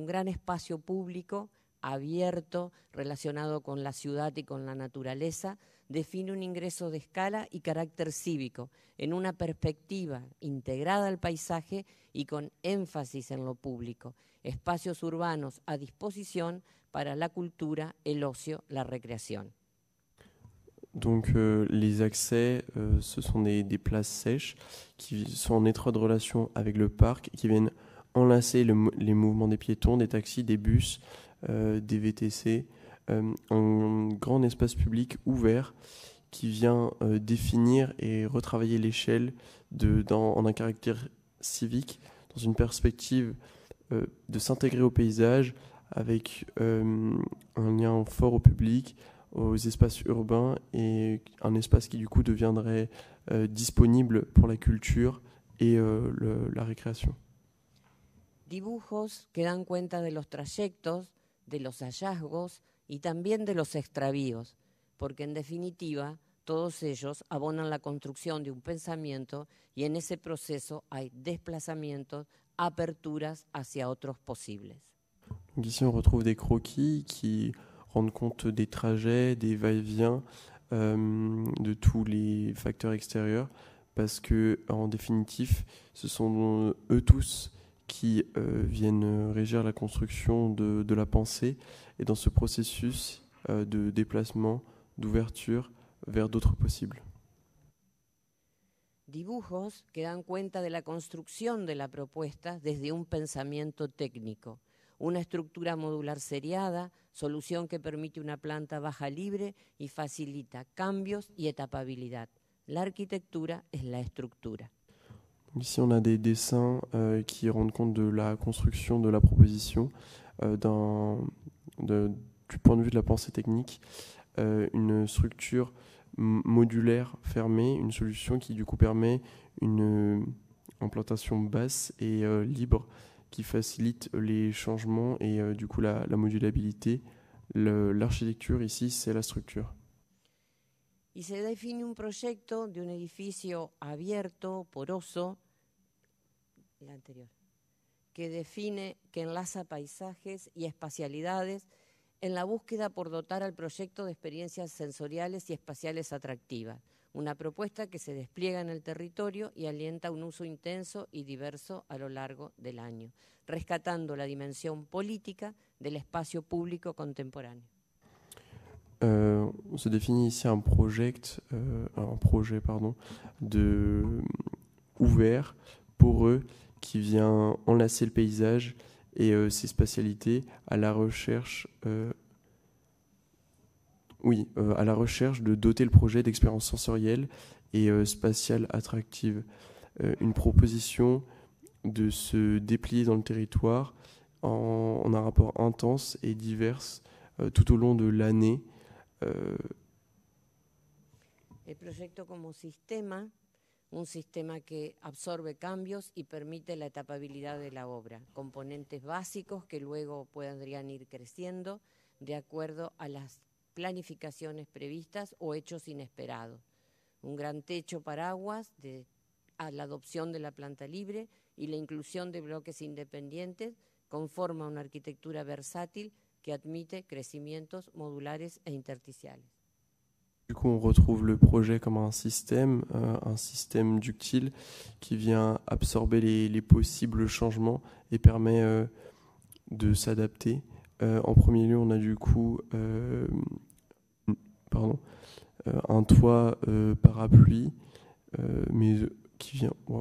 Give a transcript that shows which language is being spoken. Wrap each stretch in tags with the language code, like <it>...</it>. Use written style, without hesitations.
<es>Un gran espacio público abierto, relacionado con la ciudad y con la naturaleza, define un ingreso de escala y carácter cívico en una perspectiva integrada al paisaje y con énfasis en lo público. Espacios urbanos a disposición para la cultura, el ocio, la recreación.</es> <fr>Donc les accès, ce sont des places sèches qui sont en étroite relation avec le parc, qui viennent enlacer les mouvements des piétons, des taxis, des bus, des VTC, un grand espace public ouvert qui vient définir et retravailler l'échelle en un caractère civique, dans une perspective de s'intégrer au paysage avec un lien fort au public, aux espaces urbains et un espace qui du coup deviendrait disponible pour la culture et la récréation.</fr> <es>Dibujos que dan cuenta de los trayectos, de los hallazgos y también de los extravíos, porque en definitiva todos ellos abonan la construcción de un pensamiento y en ese proceso hay desplazamientos, aperturas hacia otros posibles.</es> <fr>Donc ici on retrouve des croquis qui rendent compte des trajets, des va-et-vient de tous les facteurs extérieurs, parce que en définitif ce sont eux tous qui viennent régir la construction de la pensée et dans ce processus de déplacement, d'ouverture vers d'autres possibles.</fr> <es>Dibujos que dan cuenta de la construcción de la propuesta desde un pensamiento técnico. Una estructura modular seriada, solución que permite una planta baja libre y facilita cambios y etapabilidad. La arquitectura es la estructura.</es> <fr>Ici, on a des dessins qui rendent compte de la construction de la proposition du point de vue de la pensée technique. Une structure modulaire fermée, une solution qui du coup permet une implantation basse et libre qui facilite les changements et du coup la modulabilité. L'architecture ici, c'est la structure.</fr> <es>Y se define un proyecto de un edificio abierto, poroso, la anterior, que define, que enlaza paisajes y espacialidades en la búsqueda por dotar al proyecto de experiencias sensoriales y espaciales atractivas. Una propuesta que se despliega en el territorio y alienta un uso intenso y diverso a lo largo del año, rescatando la dimensión política del espacio público contemporáneo. Se define</es> <fr>ici un projet, de ouvert pour eux, qui vient enlacer le paysage et ses spécialités à la recherche à la recherche de doter le projet d'expériences sensorielles et spatiales attractives. Une proposition de se déplier dans le territoire en un rapport intense et divers tout au long de l'année.</fr> <es>El proyecto como sistema, un sistema que absorbe cambios y permite la etapabilidad de la obra, componentes básicos que luego podrían ir creciendo de acuerdo a las planificaciones previstas o hechos inesperados. Un gran techo paraguas a la adopción de la planta libre y la inclusión de bloques independientes conforma una arquitectura versátil que admite crecimientos modulares e intersticiales.</es> <fr>Du coup, on retrouve le projet comme un système ductile qui vient absorber les possibles changements et permet de s'adapter. En premier lieu, on a du coup un toit parapluie, mais qui vient...</fr>